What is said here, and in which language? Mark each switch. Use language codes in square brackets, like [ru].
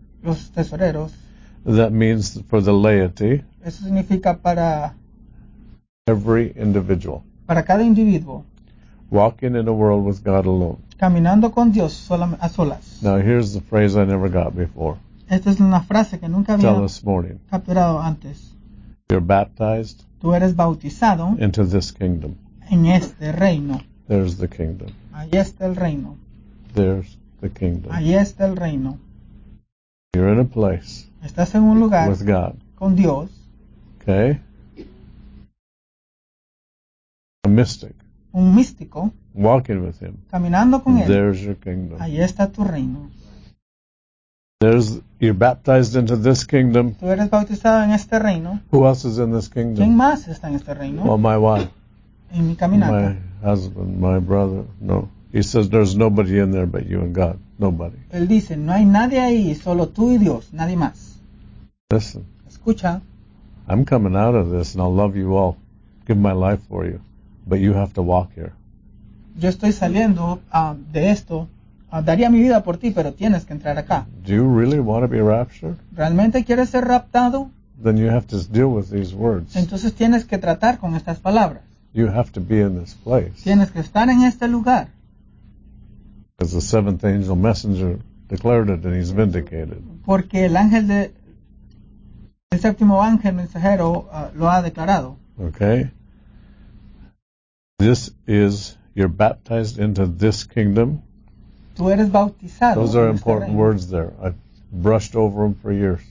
[es] Los tesoreros. [en] That means for the laity. [es] Eso significa para [en] every individual. [es] Para cada individuo. [en] Walking in a world with God alone. [es] Caminando con Dios a solas. [en] Now here's the phrase I never got before. [es] Esta es una frase que nunca había capturado antes. [en] You're baptized. [es] Tú eres bautizado. [en] Into this kingdom. [es] En este reino. [en] There's the kingdom. [es] Ahí está el reino. [en] There's the kingdom. [es] Ahí está el reino. [en] You're in a place. [es] Estás en un lugar. [en] With God. [es] Con Dios. [en] Okay. A mystic. [es] Un místico. [en] Walking with him. [es] Caminando con [en] There's [es] él. [en] There's your kingdom. [es] Ahí está tu reino. [en] There's you're baptized into this kingdom. [es] Tú eres bautizado en este reino. [en] Who else is in this kingdom? [es] ¿Quién más está en este reino? [en] Well, my wife. [es] En mi caminata. [en] My husband, my brother. No. He says there's nobody in there but you and God. Nobody. [es] Él dice, no hay nadie ahí, solo tú y Dios, nadie más. [en] Listen. [es] Escucha. [en] I'm coming out of this and I'll love you all. Give my life for you. But you have to walk here. [es] Yo estoy saliendo de esto. Daría mi vida por ti, pero tienes que entrar acá. [en] Do you really want to be raptured? [es] ¿Realmente quieres ser raptado? [en] Then you have to deal with these words. [es] Entonces tienes que tratar con estas palabras. [en] You have to be in this place. [es] Tienes que estar en este lugar. [en] Because the seventh angel messenger declared it and he's vindicated. [es] Porque el ángel de el séptimo ángel mensajero lo ha declarado. [en] Okay. This is you're baptized into this kingdom. [es] Tú eres bautizado. [en] Those are important words there. I've brushed over them for years.